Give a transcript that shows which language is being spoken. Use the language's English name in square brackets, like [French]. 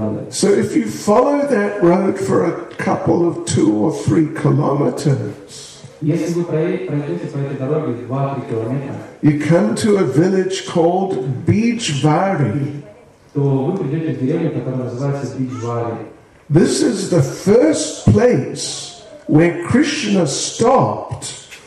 [English] So if you follow that road for a couple of 2 or 3 kilometers, [Russian] если вы пройдете по этой дороге 2-3 километра, [English] you come to a village called Bijwari. [Russian] То вы придете в деревню, которая называется Bijwari. [English] This is the first place where Krishna stopped